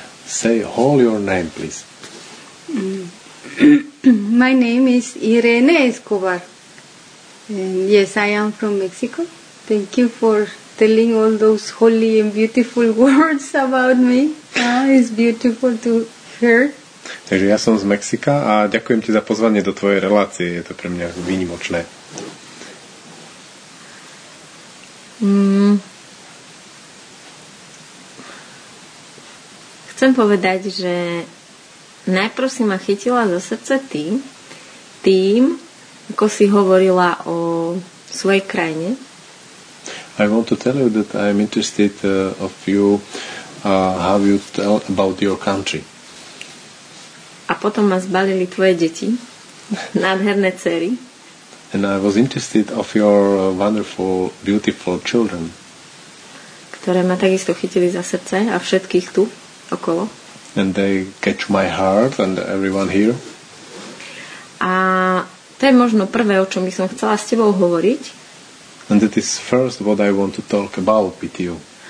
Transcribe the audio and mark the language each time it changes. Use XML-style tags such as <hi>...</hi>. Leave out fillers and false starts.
<en>Say all your name, please. My name is Irene Escobar. And yes, I am from Mexico. Thank you for telling all those holy and beautiful words about me. It's beautiful to hear.</en> <sk>Takže ja som z Mexika a ďakujem ti za pozvanie do tvojej relácie. Je to pre mňa výnimočné. Chcem povedať, že najprv si ma chytila za srdce tým, ako si hovorila o svojej krajine.</sk> <en>I want to tell you that I am interested of you how you tell about your country.</en> <sk>A potom ma zbalili tvoje deti, nádherné dcery.</sk> <en>And I was interested of your wonderful, beautiful children.</en> <sk>Ktoré ma takisto chytili za srdce a všetkých tu okolo.</sk> <en>And they catch my heart and everyone here.</en> <sk>A to je možno prvé, o čom by som chcela s tebou hovoriť.</sk> <en>And that is first what I want to talk about with you.</en>